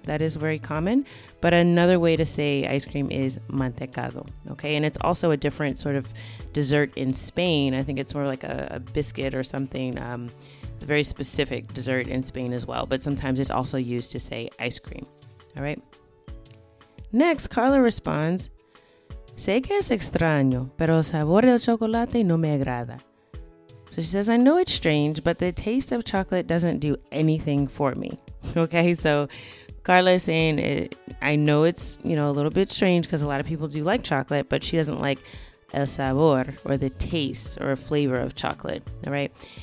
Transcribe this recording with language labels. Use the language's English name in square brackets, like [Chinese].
[English] That is very common. But another way to say ice cream is mantecado. Okay. And it's also a different sort of dessert in Spain. I think it's more like a biscuit or something. A very specific dessert in Spain as well. But sometimes it's also used to say ice cream. All right. Next, Carla responds, [Spanish] sé que es extraño, pero el sabor del chocolate no me agrada. [English] So she says, I know it's strange, but the taste of chocolate doesn't do anything for me. Okay, so Carla is saying, I know it's, you know, a little bit strange because a lot of people do like chocolate, but she doesn't like el sabor or the taste or flavor of chocolate, all right?